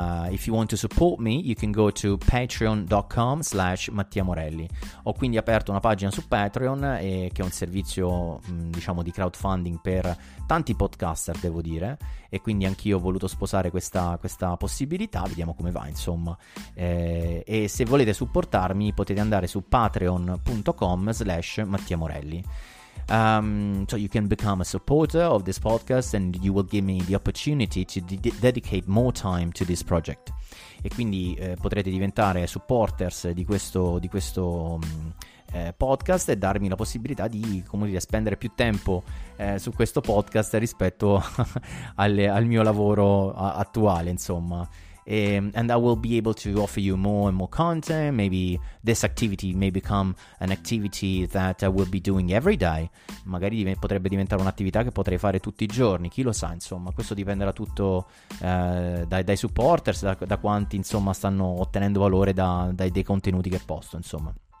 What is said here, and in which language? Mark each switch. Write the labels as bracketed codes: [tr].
[en] If you want to support me, you can go to patreon.com/Mattia Morelli. [it] Ho quindi aperto una pagina su Patreon, che è un servizio, diciamo, di crowdfunding per tanti podcaster, devo dire, e quindi anch'io ho voluto sposare questa possibilità. Vediamo come va, insomma. E se volete supportarmi, potete andare su patreon.com/Mattia Morelli. [en] So you can become a supporter of this podcast and you will give me the opportunity to dedicate more time to this project. [it] E quindi potrete diventare supporters di questo podcast e darmi la possibilità di, come dire, spendere più tempo su questo podcast rispetto al mio lavoro attuale, insomma. [en] And I will be able to offer you more and more content. Maybe this activity may become an activity that I will be doing every day. [it] Magari potrebbe diventare un'attività che potrei fare tutti i giorni, chi lo sa, insomma. Questo dipenderà tutto dai supporters, da quanti, insomma, stanno ottenendo valore dai contenuti che posto, insomma.